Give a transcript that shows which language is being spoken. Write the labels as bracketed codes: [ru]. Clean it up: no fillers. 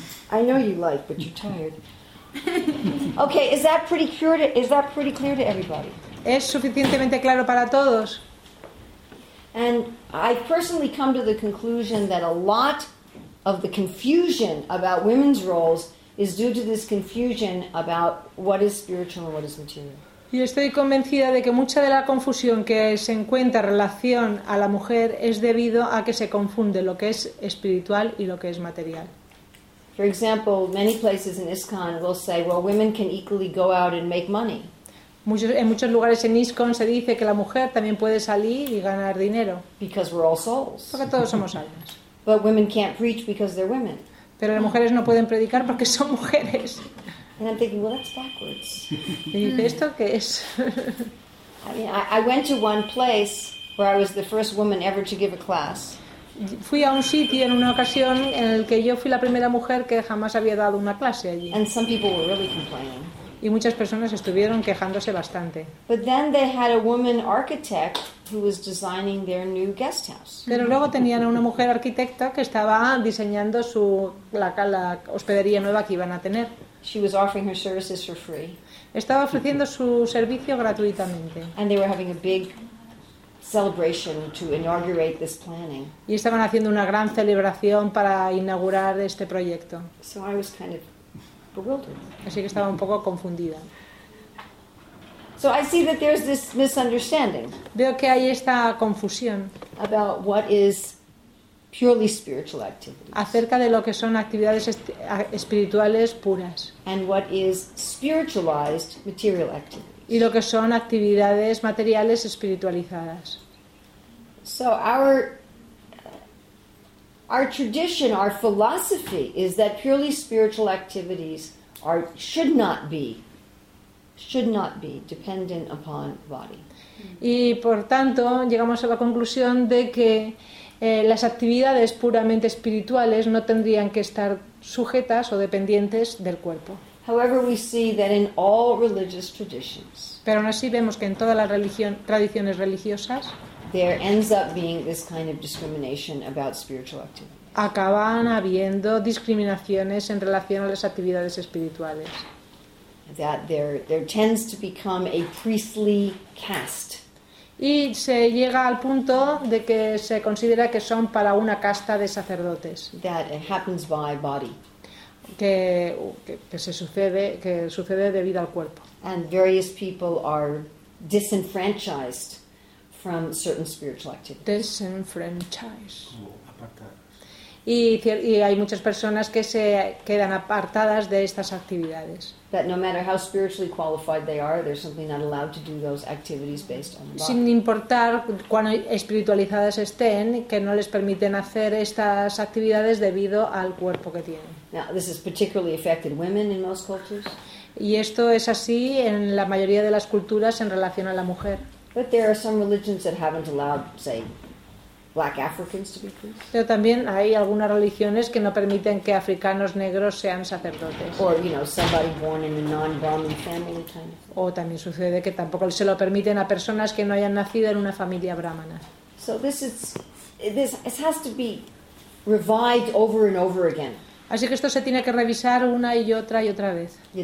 [en] I know you like, but you're tired. Okay, is that pretty clear to everybody? [es] ¿Es suficientemente claro para todos? [en] And I personally come to the conclusion that a lot of the confusion about women's roles is due to this confusion about what is spiritual and what is material. [es] Y estoy convencida de que mucha de la confusión que se encuentra en relación a la mujer es debido a que se confunde lo que es espiritual y lo que es material. [en] For example, many places in ISKCON will say, well, women can equally go out and make money. [es] En muchos lugares en ISKCON se dice que la mujer también puede salir y ganar dinero. [en] Because we're all souls. [es] Porque todos somos almas. [en] But women can't preach because they're women. [es] Pero las mujeres no pueden predicar porque son mujeres. [en] And I'm thinking, well, that's backwards. [es] ¿Y esto qué es? [en] I went to one place where I was the first woman ever to give a class. [es] Fui a un sitio en una ocasión en el que yo fui la primera mujer que jamás había dado una clase allí. [en] And some people were really complaining. [es] Y muchas personas estuvieron quejándose bastante. [en] But then they had a woman architect who was designing their new guest house. [es] Pero luego tenían a una mujer arquitecta que estaba diseñando la hospedería nueva que iban a tener. [en] She was offering her services for free. [es] Estaba ofreciendo su servicio gratuitamente. [en] And they were having a big celebration to inaugurate this planning. [es] Y estaban haciendo una gran celebración para inaugurar este proyecto. [en] So I was kind of bewildered. [es] Así que estaba un poco confundida. [en] So I see that there's this misunderstanding. [es] Veo que hay esta confusión [en] about what is purely spiritual activities. [es] Acerca de lo que son actividades espirituales puras. [en] And what is spiritualized material activities. [es] Y lo que son actividades materiales espiritualizadas. [en] So our tradition, our philosophy is that purely spiritual activities should not be dependent upon body. [es] Y por tanto, llegamos a la conclusión de que las actividades puramente espirituales no tendrían que estar sujetas o dependientes del cuerpo. [en] However, we see that in all religious traditions. [es] Pero aún así vemos que en todas las tradiciones religiosas [en] there ends up being this kind of discrimination about spiritual activity. [es] Acaban habiendo discriminaciones en relación a las actividades espirituales. [en] That there tends to become a priestly caste. [es] Y se llega al punto de que se considera que son para una casta de sacerdotes. [en] That it happens by body. [es] Que sucede debido al cuerpo. [en] And various people are disenfranchised from certain spiritual activities. Disenfranchised. [es] Apartados. y hay muchas personas que se quedan apartadas de estas actividades. [en] That no matter how spiritually qualified they are, they're simply not allowed to do those activities based on the body. [es] Sin importar cuán espiritualizadas estén, que no les permiten hacer estas actividades debido al cuerpo que tienen. [en] Now, this has particularly affected women in most cultures. [es] Y esto es así en la mayoría de las culturas en relación a la mujer. [en] But there are some religions that haven't allowed, say, black Africans to be priests. [es] Pero también hay algunas religiones que no permiten que africanos negros sean sacerdotes. [en] Or, you know, somebody born in a non-Brahmin family kind of thing. [es] O también sucede que tampoco se lo permiten a personas que no hayan nacido en una familia brahmana. [en] So this has to be revived over and over again. [es] Así que esto se tiene que revisar una y otra vez.